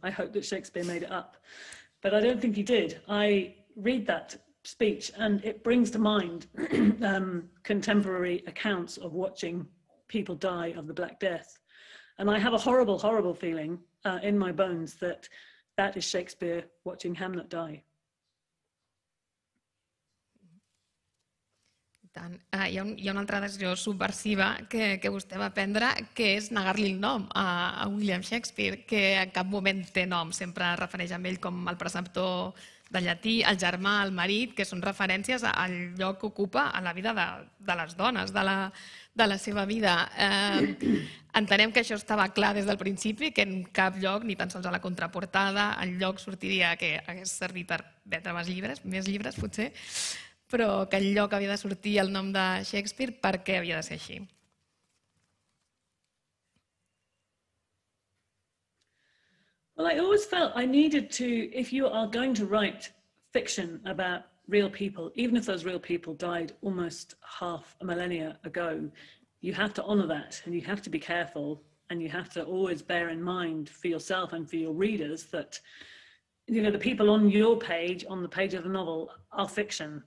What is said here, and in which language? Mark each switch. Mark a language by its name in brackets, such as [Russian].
[English] I hope that Shakespeare made it up, but I don't think he did. I read that speech and it brings to mind contemporary accounts of watching people die of the Black Death. And I have a horrible, horrible feeling in my bones that is Shakespeare watching Hamlet die. [Catalan] Tant. Hi ha una altra decisió subversiva que vostè va prendre, que és negar-li el nom a William Shakespeare, que en cap moment té nom, sempre es refereix a ell com el preceptor de llatí, el germà, el marit, que són referències al lloc que ocupa a la vida de les dones, de la seva vida. Entenem que això estava clar des del principi, que en cap lloc, ni tan sols a la contraportada, el lloc sortiria que hagués servit per vendre més llibres potser, però que el lloc havia de sortir el nom de Shakespeare, per què havia de ser així? [English] Well, I always felt I needed to, if you are going to write fiction about real people, even if those real people died almost half a millennia ago, you have to honor that and you have to be careful and you have to always bear in mind for yourself and for your readers that, you know, the people on your page, on the page of the novel, are fiction.